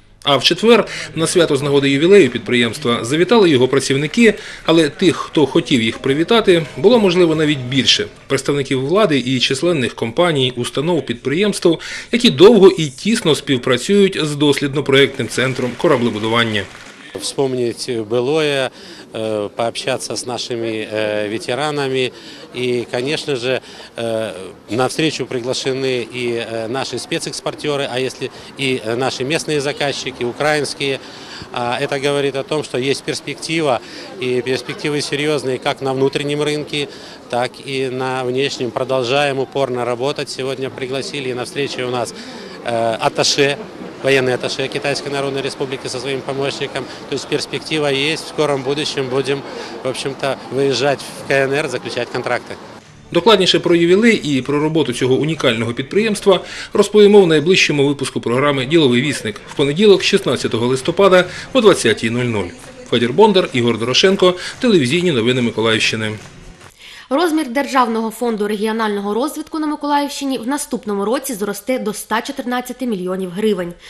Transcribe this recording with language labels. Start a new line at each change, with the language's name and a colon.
Ukrainian: А в четвер на свято з нагоди ювілею підприємства завітали його працівники, але тих, хто хотів їх привітати, було, можливо, навіть більше – представників влади і численних компаній, установ, підприємств, які довго і тісно співпрацюють з дослідно-проєктним центром кораблебудування.
Russian: Вспомнити былое, пообщаться з нашими ветеранами.
Ukrainian: І, звісно ж, на встречу приглашені і наші спецекспортери, а якщо і наші місцеві заказчики, українські.
Russian: Это говорит о том, что есть перспектива, и перспективы серьезные как на внутреннем рынке, так и на внешнем. Продолжаем упорно работать. Сегодня пригласили на встречу у нас атташе, военный атташе Китайской Народной Республики со своим помощником. То есть перспектива есть, в скором будущем будем, в общем-то, выезжать в КНР, заключать контракты.
Ukrainian: Докладніше про ювілей і про роботу цього унікального підприємства розповімо в найближчому випуску програми «Діловий вісник» в понеділок, 16 листопада о 20:00. Федір Бондар, Ігор Дорошенко, телевізійні новини Миколаївщини. Розмір Державного фонду регіонального розвитку на Миколаївщині в наступному році зросте до 114 мільйонів гривень.